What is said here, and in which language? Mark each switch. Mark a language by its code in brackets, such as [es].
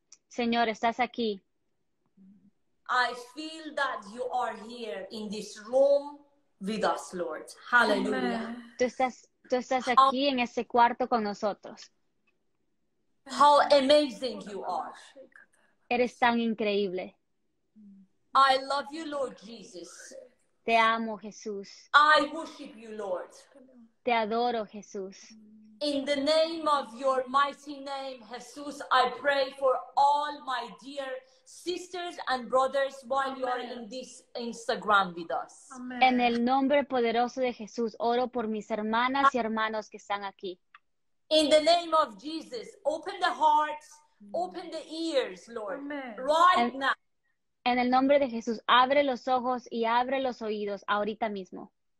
[es] Señor, estás aquí. [en] I feel that you are here in this room with us, Lord. Hallelujah. [es] Tú estás aquí en ese cuarto con nosotros. [en] How amazing you are. [es] Eres tan increíble. [en] I love you, Lord Jesus. [es] Te amo, Jesús. [en] I worship you, Lord. [es] Te adoro, Jesús. [en] In the name of your mighty name, Jesus, I pray for all my dear sisters and brothers while Amen. You are in this Instagram with us. Amen. [es] En el nombre poderoso de Jesús, oro por mis hermanas y hermanos que están aquí. [en] In the name of Jesus, open the hearts, open the ears, Lord, Amen. Right now. [es] En el nombre de Jesús, abre los ojos y abre los oídos ahorita mismo.